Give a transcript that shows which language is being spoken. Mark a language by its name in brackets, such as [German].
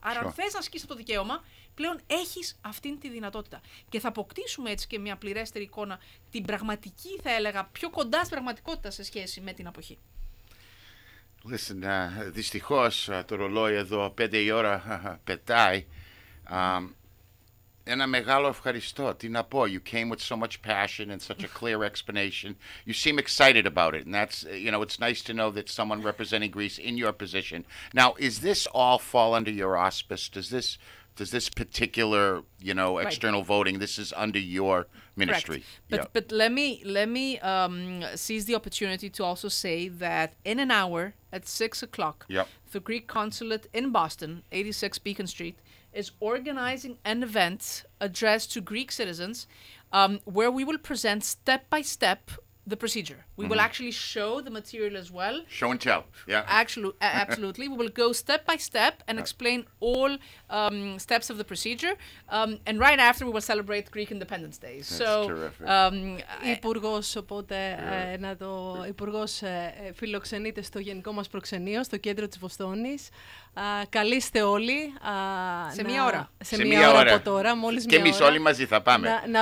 [Greek] Άρα, αν θες να ασκήσεις το δικαίωμα, πλέον έχεις αυτή τη δυνατότητα. Και θα αποκτήσουμε έτσι και μια πληρέστερη εικόνα, την πραγματική, θα έλεγα, πιο κοντά στην πραγματικότητα σε σχέση με την αποχή. [English] Listen, [Greek] δυστυχώς το ρολόι εδώ 5 η ώρα πετάει. Ένα μεγάλο ευχαριστώ. Τι να πω. [English] You came with so much passion and such a clear explanation. You seem excited about it. And that's, you know, it's nice to know that someone representing Greece in your position. Now, is this all fall under your auspice? Does this particular, you know, external right. voting, this is under your ministry? Correct. But yeah. but let me seize the opportunity to also say that in an hour at 6 o'clock, yep. the Greek consulate in Boston, 86 Beacon Street, is organizing an event addressed to Greek citizens where we will present step by step the procedure. We mm-hmm. will actually show the material as well. Show and tell. Yeah. Absolutely. We will go step by step and explain all steps of the procedure. And right after, we will celebrate Greek Independence Day. That's so, terrific. [Greek] Υπουργός, οπότε, να το υπουργός φιλοξενείται στο γενικό μας προξενείο, στο κέντρο της Βοστόνης. Καλείστε όλοι. Σε μία ώρα. Σε μία ώρα από τώρα, μόλις και εμείς όλοι μαζί θα πάμε.